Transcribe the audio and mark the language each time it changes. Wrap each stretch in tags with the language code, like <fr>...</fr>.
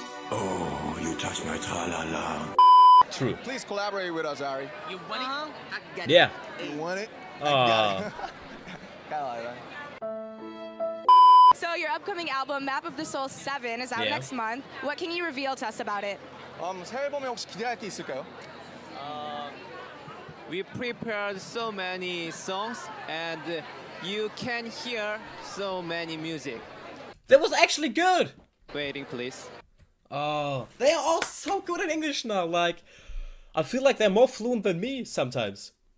<en>Oh, you touched my tra-la-la. True. Please collaborate with us, Ari. You want it? Yeah. You want it? Kinda like that. So your upcoming album, Map of the Soul 7, is out next month. What can you reveal to us about it?</en> <ko>새 앨범에 혹시 기대할 게 있을까요?</ko> <en>We prepared so many songs, and you can hear so many music. That was actually good! Waiting, please. They are all so good in English now, like, I feel like they're more fluent than me sometimes.</en>